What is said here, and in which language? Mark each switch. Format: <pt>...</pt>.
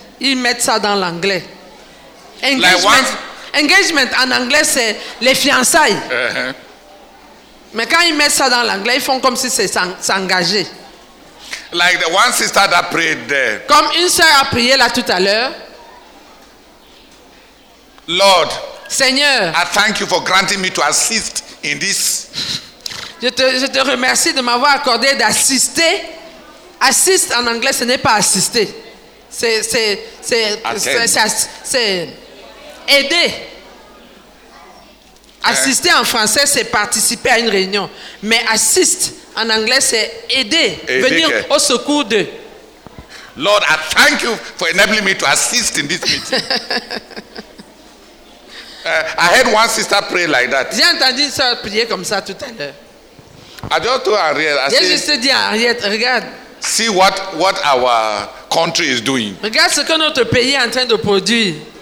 <fr>Ils mettent ça dans l'anglais. Engagement en anglais, c'est les fiançailles. Mais quand ils mettent ça dans l'anglais, ils font comme si c'est s'engager.</fr> <en>Like the one sister that prayed there.</en> <fr>Comme une sœur a prié là tout à l'heure.</fr> <en>Lord,</en> <fr>Seigneur,</fr> <en>I thank you for granting me to assist in this.</en> <fr>Je te remercie de m'avoir accordé d'assister. Assist en anglais, ce n'est pas assister. C'est aider. Assister en français, c'est participer à une réunion. Mais assist en anglais, c'est aider. Venir au secours de.</fr> <en>Lord, I thank you for enabling me to assist in this meeting. I heard one sister pray like that.</en> <fr>J'ai entendu une sœur prier comme ça tout à l'heure.</fr> <en>I just told Henriette.</en> <fr>J'ai juste dit à Henriette, regarde.</fr> <en>See what our country is doing.</en> <fr>Regarde ce que notre pays est en train de produire.</fr>